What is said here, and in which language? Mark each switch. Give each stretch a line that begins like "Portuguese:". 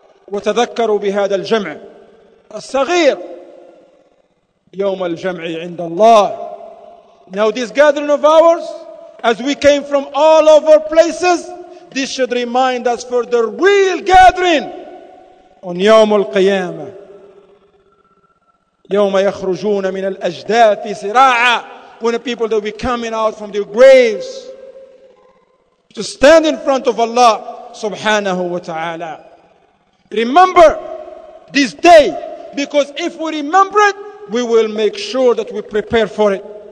Arabic: وتذكروا بهذا الجمع الصغير يوم الجمع عند الله.
English: Now this gathering of ours, as we came from all over places, this should remind us for the real gathering on يوم القيامة.
Arabic: يوم يخرجون من الأجداث سراعا.
English: When the people that will be coming out from their graves to stand in front of Allah subhanahu wa ta'ala. Remember this day, because if we remember it, we will make sure that we prepare for it.